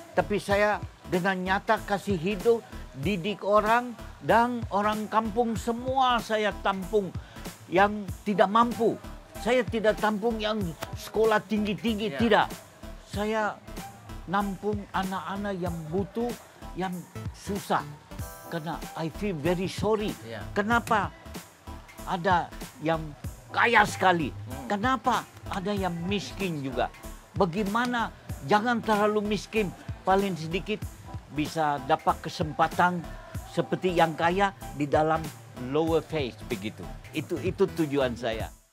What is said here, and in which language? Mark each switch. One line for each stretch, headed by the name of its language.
Indonesian: Tapi saya dengan nyata kasih hidup, didik orang, dan orang kampung semua saya tampung yang tidak mampu. Saya tidak tampung yang sekolah tinggi-tinggi, ya. Tidak. Saya nampung anak-anak yang butuh, yang susah. Karena
English: I feel very sorry.
Indonesian: Ya. Kenapa? Ada yang kaya sekali. Kenapa ada yang miskin juga? Bagaimana jangan terlalu miskin, paling sedikit bisa dapat kesempatan seperti yang kaya di dalam
English: lower face
Indonesian: begitu. Itu tujuan saya.